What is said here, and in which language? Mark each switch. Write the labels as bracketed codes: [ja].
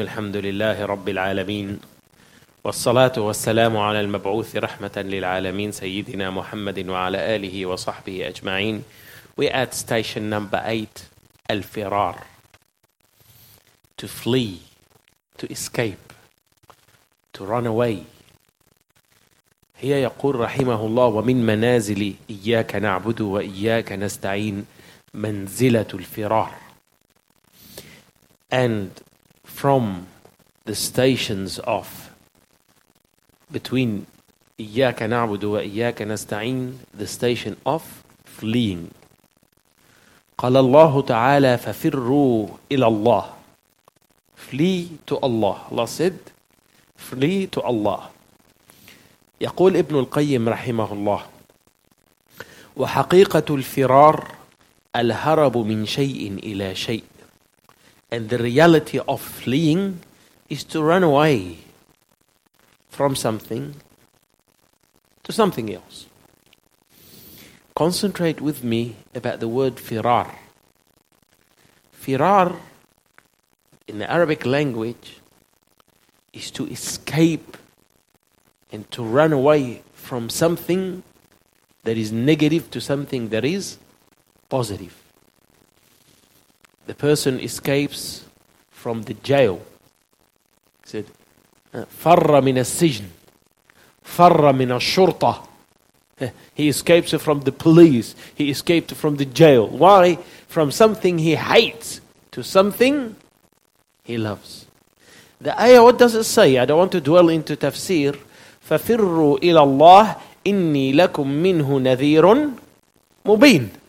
[ar] الحمد لله رب العالمين، والصلاة والسلام على المبعوث رحمة للعالمين سيدنا محمد وعلى آله وصحبه أجمعين. [en] We're at station number 8, الفرار. To flee, to escape, to run away. [ar] هي يقول رحمه الله: ومن منازل إياك نعبد وإياك نستعين منزلة الفرار. [en] And from the stations of between [ar] إياك نعبد وإياك نستعين, [en] the station of fleeing. [ar] قال الله تعالى: ففروا إلى الله. [en] Flee to Allah. Allah said, flee to Allah. [ar] يقول ابن القيم رحمه الله: وحقيقة الفرار الهرب من شيء إلى شيء. [en] And the reality of fleeing is to run away from something to something else. Concentrate with me about the word firar. Firar in the Arabic language is to escape and to run away from something that is negative to something that is positive. The person escapes from the jail. He said, [ar] فَرَّ مِنَ السِّجْنِ فَرَّ مِنَ الشُّرْطَةِ. [en] He escapes from the police. He escaped from the jail. Why? From something he hates to something he loves. The ayah, what does it say? I don't want to dwell into tafsir. [ar] فَفِرُّوا إِلَى اللَّهِ إِنِّي لَكُم مِّنْهُ نَذِيرٌ مُبِينٌ.